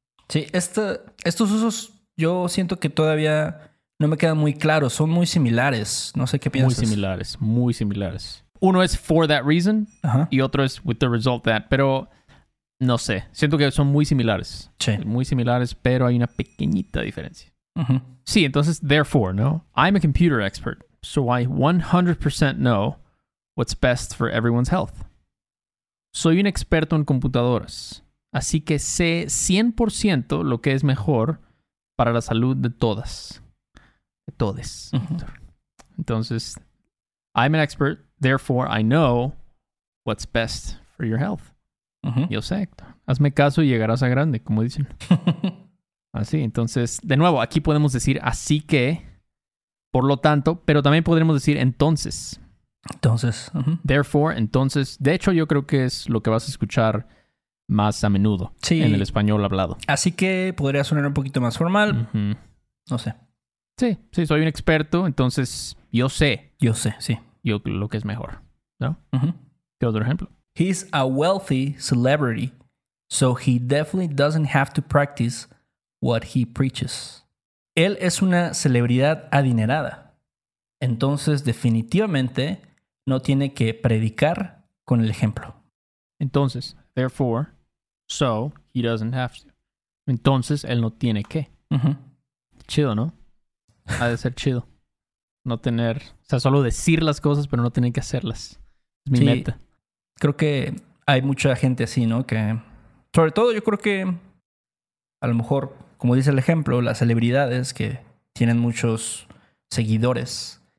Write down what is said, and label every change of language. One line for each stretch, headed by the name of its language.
Spanish: Sí, estos usos yo siento que todavía no me quedan muy claros. Son muy similares. No sé qué piensas. Muy similares, muy similares. Uno es
English: for that reason
Spanish: y otro es
English: with the result that.
Spanish: Pero no sé. Siento que son muy similares. Sí. Muy similares, pero hay una pequeñita diferencia. Uh-huh. Sí, entonces, therefore, ¿no?
English: I'm a computer expert, so I 100% know what's best for everyone's health.
Spanish: Soy un experto en computadoras, así que sé 100% lo que es mejor para la salud de todas. De todes. Entonces,
English: I'm an expert, therefore I know what's best for your health.
Spanish: Yo sé, Héctor. Hazme caso y llegarás a grande, como dicen. Así, entonces, de nuevo, aquí podemos decir así que, por lo tanto, pero también podremos decir entonces. Entonces. Therefore, entonces. De hecho, yo creo que es lo que vas a escuchar más a menudo en el español hablado. Así que podría sonar un poquito más formal. No sé. Sí, sí, soy un experto, entonces yo sé. Yo sé, sí. Yo lo que es mejor, ¿no? ¿Qué otro ejemplo?
English: He's a wealthy celebrity, so he definitely doesn't have to practice what he preaches.
Spanish: Él es una celebridad adinerada. Entonces, definitivamente, no tiene que predicar con el ejemplo. Entonces,
English: therefore, so, he doesn't have to.
Spanish: Entonces, él no tiene que. Chido, ¿no? Ha de ser chido. No tener... O sea, solo decir las cosas, pero no tener que hacerlas. Es mi meta. Creo que hay mucha gente así, ¿no? Que, sobre todo, yo creo que, a lo mejor, como dice el ejemplo, las celebridades que tienen muchos seguidores...